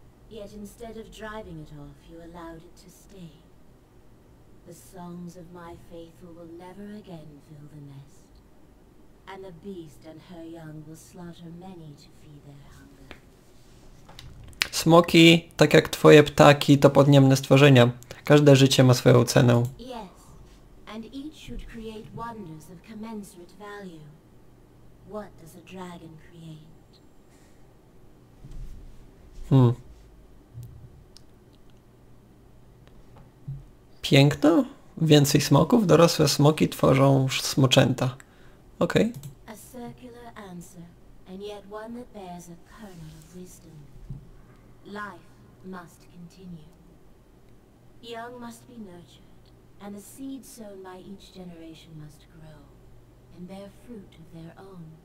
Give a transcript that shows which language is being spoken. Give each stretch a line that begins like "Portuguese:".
English: Yet instead of driving it off, you allowed it to stay. The songs of my faithful will never again fill the nest. And the beast and her young will slaughter many to feed their hunger.
Polish: Smoki, tak jak twoje ptaki, to podniemne stworzenia. Każde życie ma swoją cenę.
English: Yes, and each should create wonders of commensurate value. What does a dragon create?
Polish: Piękno? Więcej smoków? Dorosłe smoki tworzą smoczęta. Okej.
English: A circular answer, and yet one that bears a kernel of wisdom. Life must continue. Young must be nurtured, and the seed sown by each generation must grow, and bear fruit of their own.